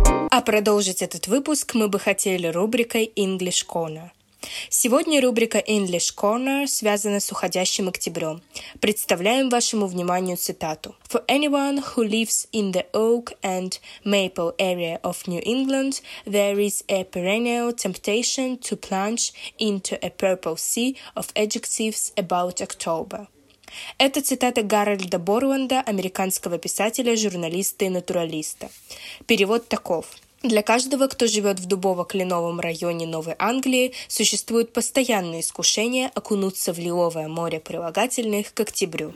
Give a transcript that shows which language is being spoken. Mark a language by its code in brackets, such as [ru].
[ru] А продолжить этот выпуск мы бы хотели рубрикой English Corner. Сегодня рубрика English Corner связана с уходящим октябрем. Представляем вашему вниманию цитату. [en] For anyone who lives in the oak and maple area of New England, there is a perennial temptation to plunge into a purple sea of adjectives about October. [ru] Это цитата Гарольда Борланда, американского писателя, журналиста и натуралиста. Перевод таков. Для каждого, кто живет в дубово-кленовом районе Новой Англии, существует постоянное искушение окунуться в лиловое море прилагательных к октябрю.